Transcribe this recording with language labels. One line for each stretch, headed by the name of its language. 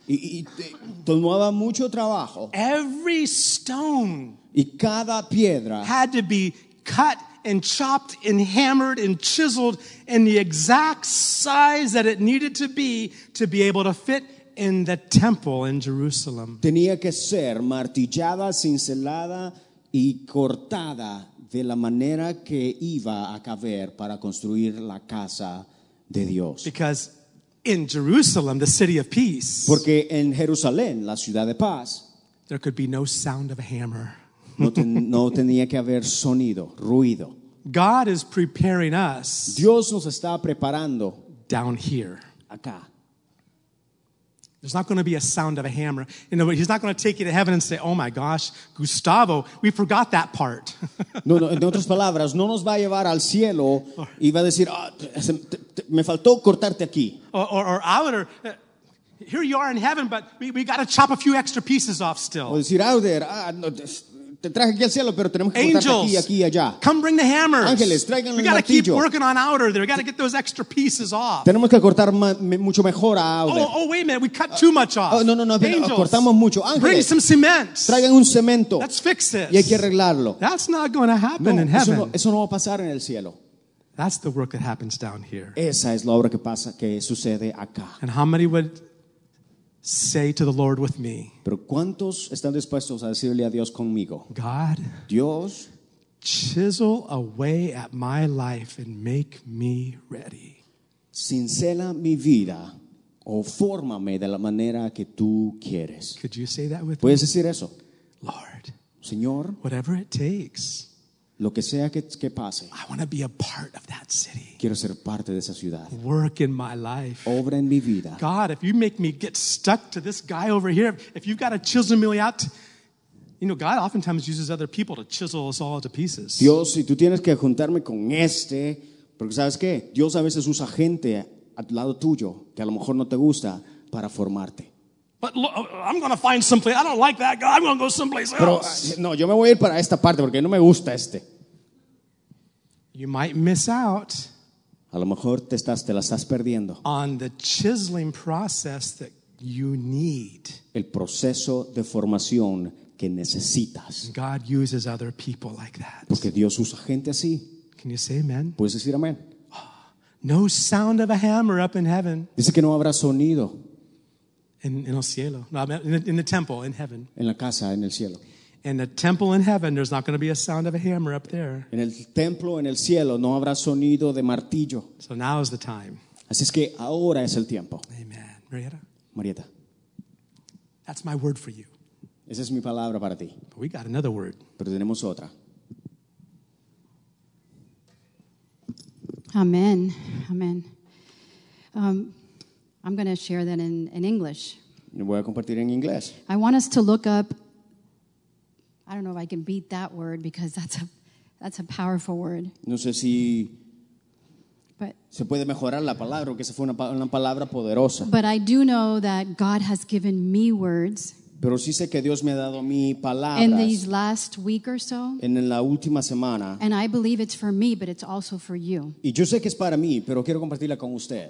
Spanish: Y tomaba mucho trabajo.
English: Every stone.
Spanish: Y cada piedra
English: had to be cut and chopped and hammered and chiseled in the exact size that it needed to be able to fit in the temple in Jerusalem.
Spanish: Tenía que ser martillada, cincelada y cortada de la manera que iba a caber para construir la casa de Dios.
English: Because in Jerusalem, the city of peace.
Spanish: Porque en Jerusalén, la ciudad de paz.
English: There could be no sound of a hammer.
Spanish: No tenía que haber sonido, ruido.
English: God is preparing us.
Spanish: Dios nos está preparando.
English: Down here.
Spanish: Acá.
English: There's not going to be a sound of a hammer. You know, he's not going to take you to heaven and say, "Oh my gosh, Gustavo, we forgot that part."
Spanish: No, no, en otras palabras, no nos va a llevar al cielo y va a decir, oh, me faltó cortarte aquí.
English: Or here you are in heaven, but we got to chop a few extra pieces off still.
Spanish: O decir, Auder, te traje aquí al cielo, pero tenemos que
English: angels,
Spanish: cortarte aquí y allá.
English: Come bring the hammers.
Spanish: Ángeles, traigan
English: we
Spanish: el martillo.
English: We got to keep working on Auder there. We got to get those extra pieces off.
Spanish: Tenemos que cortar mucho mejor a Auder.
English: Oh, wait a minute. We cut too much off.
Spanish: No. Angels, cortamos mucho. Ángeles,
English: bring some cement.
Spanish: Traigan un cemento.
English: Let's fix it.
Spanish: Y hay que arreglarlo.
English: That's not going to happen in heaven.
Spanish: Eso no va a pasar en el cielo.
English: That's the work that happens down here.
Spanish: Esa es la obra que pasa, que sucede acá.
English: And how many would say to the Lord with me.
Spanish: Pero ¿cuántos están dispuestos a decirle a Dios conmigo?
English: God,
Spanish: Dios,
English: chisel away at my life and make me ready.
Spanish: Cincela mi vida o fórmame de la manera que tú quieres.
English: Could you say that with
Spanish: ¿puedes ¿Puedes decir eso?
English: Lord,
Spanish: Señor,
English: whatever it takes.
Spanish: Lo que sea que pase.
English: I want to be a part of that city.
Spanish: Quiero ser parte de esa ciudad.
English: Work in my life.
Spanish: Obra en mi vida.
English: God, if you make me get stuck to this guy over here, if you've got to chisel me out, you know, God oftentimes uses other people to chisel us all to pieces.
Spanish: Dios, si tú tienes que juntarme con este, porque ¿sabes qué? Dios a veces usa gente al lado tuyo que a lo mejor no te gusta para formarte.
English: But look, I'm going to find someplace. I don't like that guy. I'm going to go someplace else.
Spanish: Pero, no, yo me voy a ir para esta parte porque no me gusta este.
English: You might miss out.
Spanish: A lo mejor te la estás perdiendo.
English: On the chiseling process that you need.
Spanish: El proceso de formación que necesitas.
English: God uses other people like that.
Spanish: Porque Dios usa gente así.
English: Can you say amen?
Spanish: ¿Puedes decir amén?
English: No sound of a hammer up in heaven.
Spanish: Dice que no habrá sonido.
English: In
Spanish: el cielo, no,
English: in the temple, in heaven.
Spanish: En la casa, en el cielo.
English: In the temple in heaven, there's not going to be a sound of a hammer up there.
Spanish: En el templo, en el cielo, no habrá sonido de martillo.
English: So now is the time.
Spanish: Así es que ahora es el tiempo.
English: Amen. Marietta. Marietta. That's my word for you.
Spanish: Esa es mi palabra para ti.
English: But we got another word.
Spanish: Pero tenemos otra.
English: Amen. Amen. I'm going to share that in English.
Spanish: Voy a compartir en inglés.
English: I want us to look up, I don't know if I can beat that word because that's a powerful word.
Spanish: No sé si but, se puede mejorar la palabra, porque esa fue una palabra poderosa.
English: But I do know that God has given me words.
Spanish: Pero sí sé que Dios me ha dado mi palabra.
English: In these last week or so.
Spanish: En la última semana.
English: And I believe it's for me, but it's also for you.
Spanish: Y yo sé que es para mí, pero quiero compartirla con ustedes.